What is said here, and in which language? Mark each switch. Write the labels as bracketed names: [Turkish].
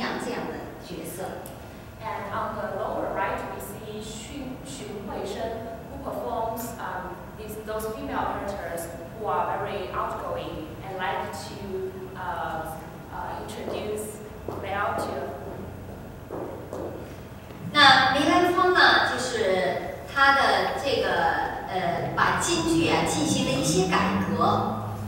[Chinese] 开放，然后也是喜欢给人牵线搭桥、做姑娘这样的角色。 [English] And on the lower right, we see Xu Huisheng, who performs those female characters who are very outgoing and like to introduce male to. [Chinese] 那梅兰芳呢，就是他的这个把京剧啊进行了一些改革。